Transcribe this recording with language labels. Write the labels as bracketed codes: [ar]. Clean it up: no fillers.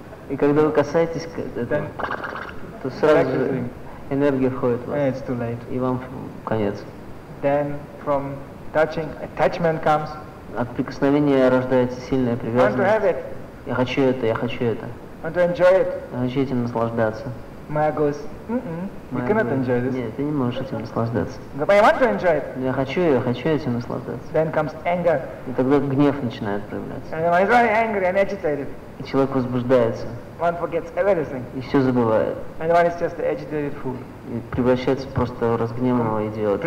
[ru] и когда вы касаетесь к этому, то сразу же энергия входит в вас. [en] It's too late. [ru] И вам конец. [en] Then from touching, attachment comes. [ru] От прикосновения рождается сильная привязанность. [en] I want to have it. [ru] Я хочу это, я хочу это. [en] Want to enjoy it. [ru] Я хочу этим наслаждаться. [en] Maya goes, mm-mm, you cannot enjoy this. [ru] Нет, ты не можешь этим наслаждаться. [en] But I want to enjoy it. [ru] Но я хочу этим наслаждаться. [en] Then comes anger. [ru] И тогда гнев начинает проявляться. [en] And I'm very angry and agitated. [ru] И человек возбуждается. [en] One forgets everything. [ru] И все забывает. [en] And one is just an agitated fool. [ru] И превращается просто в разгневанного идиота.